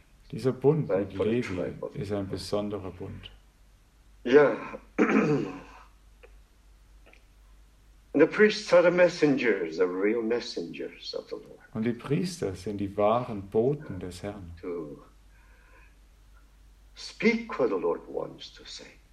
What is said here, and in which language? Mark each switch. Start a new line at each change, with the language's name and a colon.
German: Dieser Bund mit Levi ist ein besonderer Bund. Ja.
English: The priests are the messengers, the real messengers of the Lord.
German: Und die Priester sind die wahren Boten des Herrn.
English: To speak what the Lord wants to say.